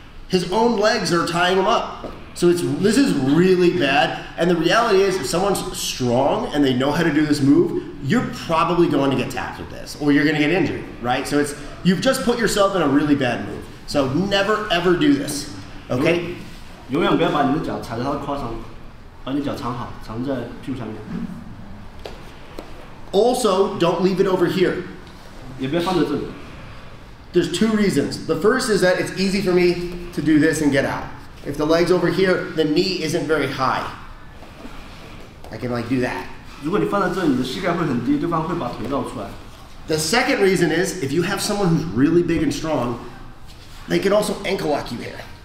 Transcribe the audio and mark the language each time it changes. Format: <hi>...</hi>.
<en>His own legs are tying him up. So this is really bad, and the reality is, if someone's strong and they know how to do this move, you're probably going to get tapped with this, or you're going to get injured, right? So you've just put yourself in a really bad move. So never, ever do this, okay?</en> <zh>永远不要把你的脚踩在他的胯上，把你脚藏好，藏在屁股下面。</zh> <en>Also, don't leave it over here.</en> <zh>也不要放在这里。</zh> <en>There's two reasons. The first is that it's easy for me to do this and get out. If the leg's over here, the knee isn't very high. I can like do that.</en> <zh>如果你放在这里，你的膝盖会很低，对方会把腿绕出来。</zh> <en>The second reason is, if you have someone who's really big and strong, they can also ankle lock you here.</en>